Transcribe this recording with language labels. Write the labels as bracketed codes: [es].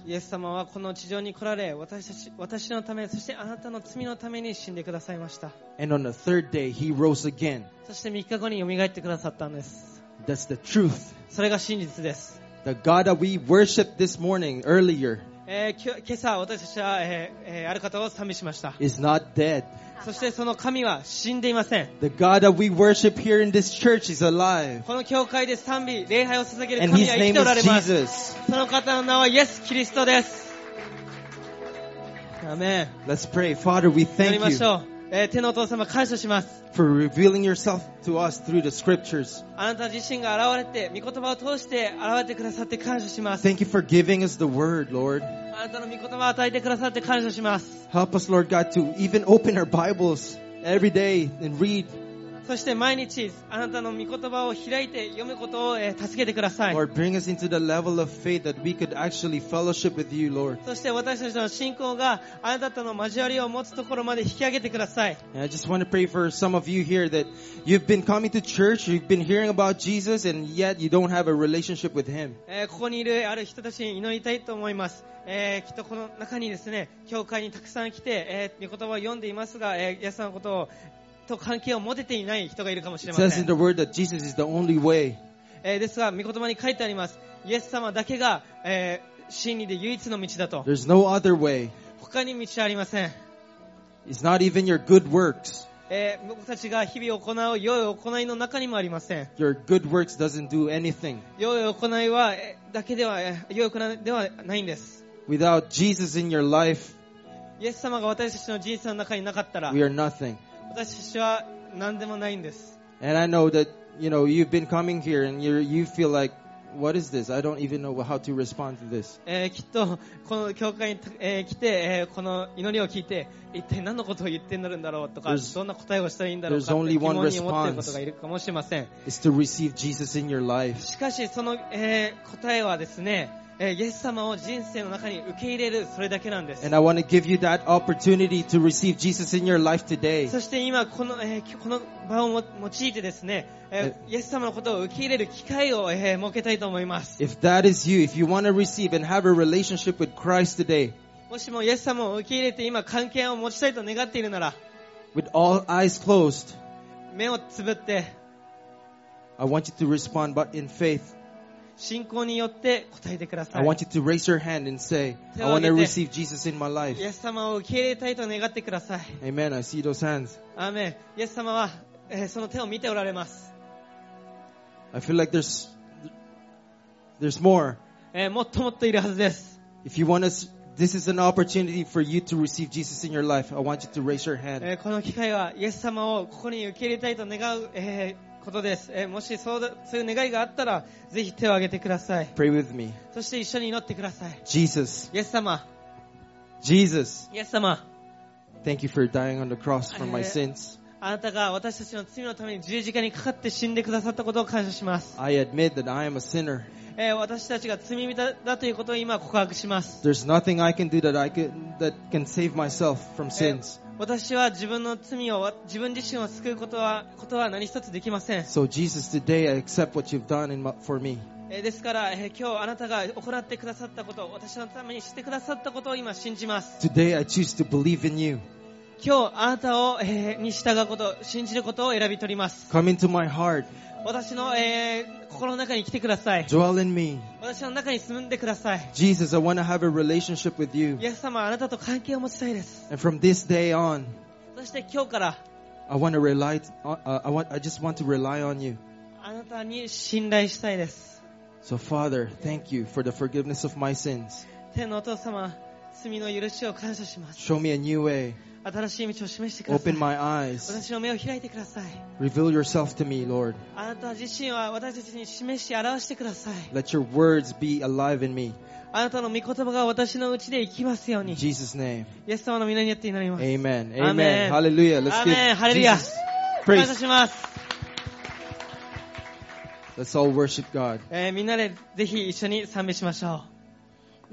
[ja] イエス様はこの地上に来られ、私のため、そしてあなたの罪のために死んでくださいました。 [en] And on the third day, he rose again. [ja] そして3日後によみがえってくださったんです。 [en] That's the truth. [ja] それが真実です。 [en] The God that we worshiped this morning, earlier, [ja] 今朝私たちは、ある方を賛美しました。 [en] Is not dead. [ja] そしてその神は死んでいません。 [en] The God that we worship here in this church is alive. [ja] この教会で賛美、礼拝を捧げる神は生きておられます。 [en] And his name is Jesus. [ja] その方の名はイエス・キリストです。アメン。 [en] Let's pray. Father, we thank you. [ja] 祈りましょう。天のお父様、感謝します。 [en] For revealing yourself to us through the scriptures. [ja] あなた自身が現れて、御言葉を通して現れてくださって感謝します。 [en] Thank you for giving us the word, Lord. [ja] あなたの御言葉を与えてくださって感謝します。 [en] Help us, Lord God, to even open our Bibles every day and read. [ja] そして毎日あなたの御言葉を開いて読むことを助けてください。 [en] Lord, bring us into the level of faith that we could actually fellowship with you, Lord. [ja] そして私たちの信仰があなたとの交わりを持つところまで引き上げてください。 [en] And I just want to pray for some of you here that you've been coming to church, you've been hearing about Jesus, and yet you don't have a relationship with Him. [ja] ここにいるある人たちに祈りたいと思います。きっとこの中にですね、教会にたくさん来て、御言葉を読んでいますが、イエス様のことをと関係を持てていない人がいるかもしれません。 [en] It says in the word that Jesus is the only way. [ja] ですが、御言葉に書いてあります。イエス様だけが、真理で唯一の道だと。 [en] There's no other way. [ja] 他に道はありません。 [en] It's not even your good works. [ja] 僕たちが日々行う良い行いの中にもありません。 [en] Your good works doesn't do anything. [ja] 良い行いは、だけでは、良い行いではないんです。 [en] Without Jesus in your life, [ja] イエス様が私たちの人生の中になかったら、 [en] we are nothing. [ja] 私たちは何でもないんです。 [en] And I know that, you know, you've been coming here and you feel like, what is this? I don't even know how to respond to this. [ja] きっとこの教会に、来て、この祈りを聞いて、一体何のことを言ってるんだろうとか、どんな答えをしたらいいんだろうかって疑問に思っていることがいるかもしれません。 [en] It's to receive Jesus in your life. [ja] しかしその、答えはですね、イエス様を人生の中に受け入れるそれだけなんです。 [en] And I want to give you that opportunity to receive Jesus in your life today. [ja] そして今この場を用いてですね、イエス様のことを受け入れる機会を設けたいと思います。 [en] If that is you, if you want to receive and have a relationship with Christ today, [ja] もしもイエス様を受け入れて今関係を持ちたいと願っているなら、 [en] with all eyes closed, [ja] 目をつぶって、 [en] I want you to respond, but in faith. [ja] 信仰によって答えてください。 [en] I want you to raise your hand and say, I want to receive Jesus in my life. [ja] イエス様を受け入れたいと願ってください。 [en] Amen. I see those hands. [ja] アーメン。イエス様は、その手を見ておられます。 [en] I feel like there's more. [ja] もっともっといるはずです。 [en] If you want to, this is an opportunity for you to receive Jesus in your life. I want you to raise your hand. [ja] この機会はイエス様をここに受け入れたいと願う、ことです。もしそういう願いがあったら、ぜひ手を挙げてください。 [en] Pray with me. [ja] そして一緒に祈ってください。 [en] Jesus. [ja] イエス様。 [en] Jesus. [ja] イエス様。 [en] Thank you for dying on the cross for my sins. [ja] あなたが私たちの罪のために十字架にかかって死んでくださったことを感謝します。 [en] I admit that I am a sinner. [ja] 私たちが罪人だということを今告白します。 [en] There's nothing I can do that can save myself from sins. [ja] 私は自分の罪を自分自身を救うことは何一つできません。 [en] So Jesus, today I accept what you've done for me. [ja] ですから今日あなたが行ってくださったことを私のためにしてくださったことを今信じます。 [en] Today I choose to believe in you. [ja] 今日あなたを、に従うこと信じることを選び取ります。 [en] Come into my heart. [ja] 私の、心の中に来てください。 [en] Dwell in me. [ja] 私の中に住んでください。 [en] Jesus, I want to have a relationship with you. [ja] イエス様、あなたと関係を持ちたいです。 [en] And from this day on, [ja] そして今日から、 [en] I just want to rely on you. [ja] あなたに信頼したいです。 [en] So Father, thank you for the forgiveness of my sins. [ja] 天のお父様、罪の許しを感謝します。 [en] Show me a new way. [ja] 新しい道を示してください。 [en] Open my eyes. [ja] 私の目を開いてください。 [en] Reveal yourself to me, Lord. [ja] あなた自身は私たちに示し表してください。 [en] Let your words be alive in me. [ja] あなたの御言葉が私のうちで生きますように。 [en] In Jesus' name. [ja] イエス様の御名によって祈ります。 [en] Amen. Amen. Hallelujah. Let's give Jesus praise. [ja] 感謝します。 [en] Let's all worship God. [ja] みんなでぜひ一緒に賛美しましょう。